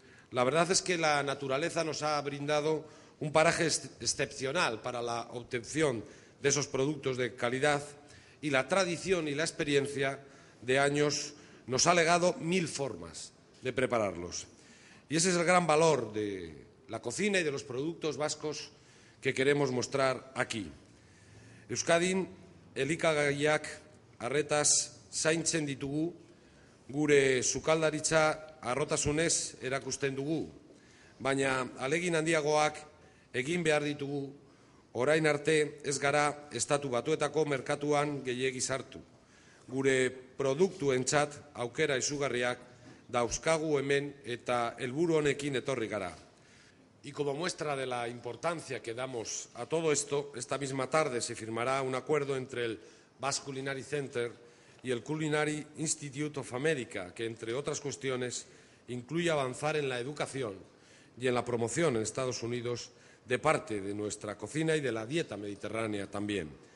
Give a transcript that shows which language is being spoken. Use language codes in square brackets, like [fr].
[es] La verdad es que la naturaleza nos ha brindado un paraje excepcional para la obtención de esos productos de calidad y la tradición y la experiencia de años nos ha legado mil formas de prepararlos. Y ese es el gran valor de la cocina y de los productos vascos que queremos mostrar aquí. [eu] Euskadin, elikagaiak arretaz zaintzen ditugu, gure sukaldaritza arrotasunez erakusten dugu, baina alegin handiagoak egin behar ditugu orain arte ez gara estatu batuetako merkatuan gehiegi sartu. Gure produktuentzat aukera izugarriak dauzkagu hemen eta helburu honekin etorri gara. [es] Y como muestra de la importancia que damos a todo esto, esta misma tarde se firmará un acuerdo entre el Basque Culinary Center y el Culinary Institute of America, que entre otras cuestiones incluye avanzar en la educación y en la promoción en Estados Unidos de parte de nuestra cocina y de la dieta mediterránea también.